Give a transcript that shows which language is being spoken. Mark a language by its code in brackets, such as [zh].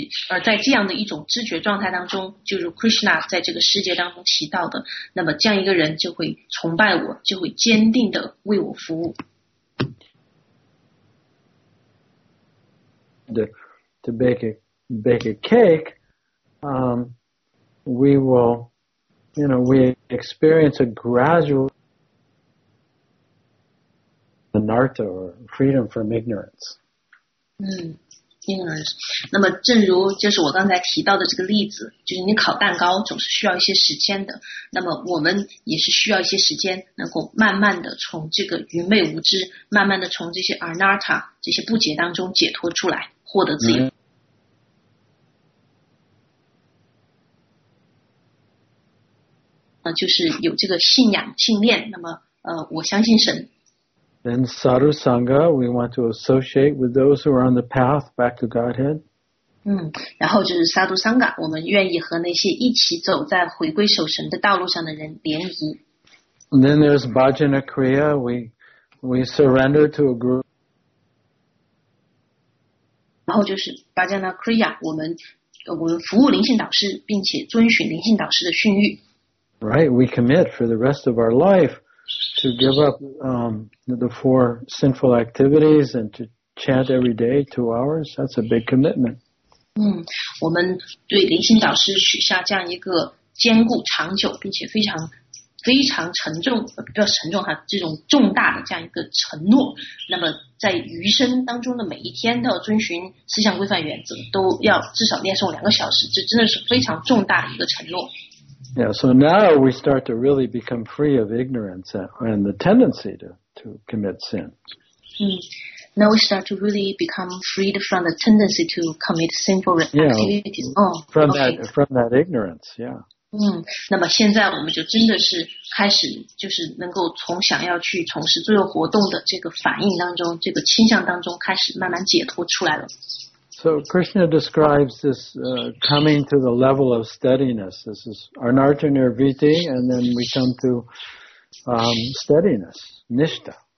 [zh] 而在这样的一种知觉状态当中，就如 Krishna 在这个世界当中提到的，那么这样一个人就会崇拜我，就会坚定的为我服务。 [en] To bake a cake, we will, you know, we experience a gradual anartha or freedom from ignorance. Ignorance. [zh] 那么，正如就是我刚才提到的这个例子，就是你烤蛋糕总是需要一些时间的。那么，我们也是需要一些时间，能够慢慢的从这个愚昧无知，慢慢的从这些 anartha 这些不解当中解脱出来。获得自由，就是有这个信仰信念，那么我相信神。 [en] Then sadhu sangha, we want to associate with those who are on the path back to Godhead. [zh] 然后就是 sadhu sangha, 我们愿意和那些一起走在回归守神的道路上的人联谊。 [en] Then there's bhajana kriya, we surrender to a group. [zh] 然后就是 Bhajana Kriya, 我们服务灵性导师，并且遵循灵性导师的训谕。 [en] Right, we commit for the rest of our life to give up the four sinful activities and to chant every day 2 hours. That's a big commitment. [zh] 我们对灵性导师许下这样一个坚固、长久，并且非常非常沉重，不要沉重哈，这种重大的这样一个承诺。那么在余生当中的每一天都要遵循四项规范原则，都要至少念诵2个小时，这真的是非常重大的一个承诺。 [en] Yeah, so now we start to really become free of ignorance and the tendency to commit sin. Now we start to really become freed from the tendency to commit sinful activities. From that ignorance, yeah. [zh] 那么现在我们就真的是开始就是能够从想要去从事罪恶活动的这个反应当中，这个倾向当中开始慢慢解脱出来了。 [en] So Krishna describes this coming to the level of steadiness. This is anartha nirviti, and then we come to steadiness, nishtha.